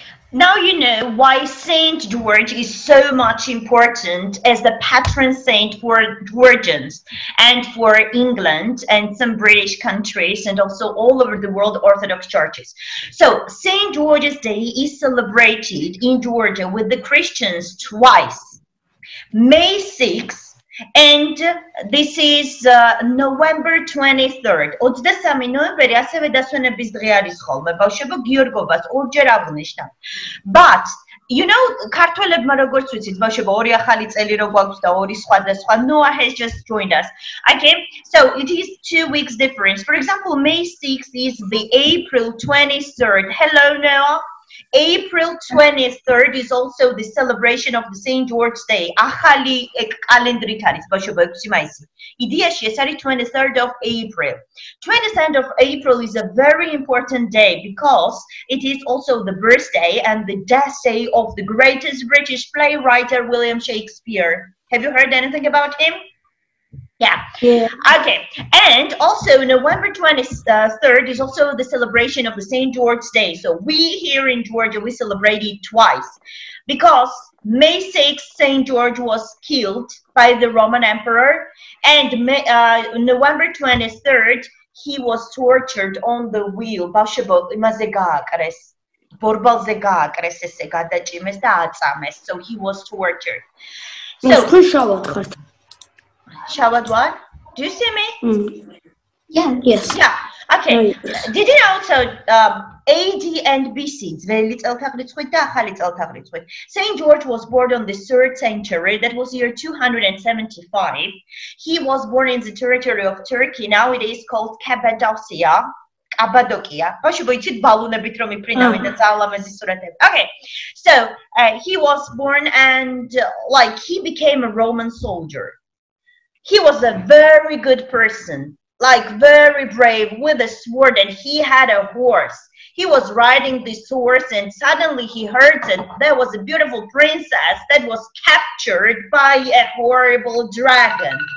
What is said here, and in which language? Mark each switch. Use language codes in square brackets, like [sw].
[en] Why Saint George is so much important as the patron saint for Georgians and for England and some British countries and also all over the world Orthodox churches. So Saint George's Day is celebrated in Georgia with the Christians twice, May 6th and this is November 23rd. [ka] 23 ნოემბერი ასევე დასვენების დღე არის ხოლმე, ბავშვებო გიორგობას ორჯერ აღნიშნავთ. [en] But you know, [ka] ქართველებმა როგორც ვიცით, ბავშვებო, ორი ახალი წელი რო გვაქვს და ორი სხვადასხვა. [en] Noah has just joined us. Okay, so it is 2 weeks difference. For example, May 6th is the April 23rd. Hello, Noah. April 23rd is also the celebration of the St. George's Day. [ka] ახალი კალენდრით არის, ბავშვებო, 6 მაისი. Იდეაში ეს არის [en] 23rd of April. 23rd of April is a very important day because it is also the birthday and the death day of the greatest British playwright William Shakespeare. Have you heard anything about him? Yeah. Okay. And also November 23rd is also the celebration of the St. George's Day. So we here in Georgia, we celebrate it twice because May 6th, St. George was killed by the Roman Emperor and November 23rd, he was tortured on the wheel. [ka] ბავშვებო, იმაზე გააკრეს. ბორბალზე გააკრეს ესე გადაჭიმეს და აწამეს. [en] So he was tortured. [ka] So ხო შავად ხართ? [en] Shabbat what? Do you see me? Yes. Yeah. Okay. Did you also AD and BC? [ka] ძველი წელთაღრიცხვით და ახალი წელთაღრიცხვით. [en] Saint George was born on the 3rd century. That was year 275. He was born in the territory of Turkey. Now it is called Cappadocia. Cappadocia. [ka] ბავშვებო, იცით ბალუნებით რომ იფრინავენ და ძალამაზი სურათები. [en] Okay. So, he was born and like he became a Roman soldier. He was a very good person, like very brave with a sword and he had a horse. He was riding this horse and suddenly he heard that there was a beautiful princess that was captured by a horrible dragon.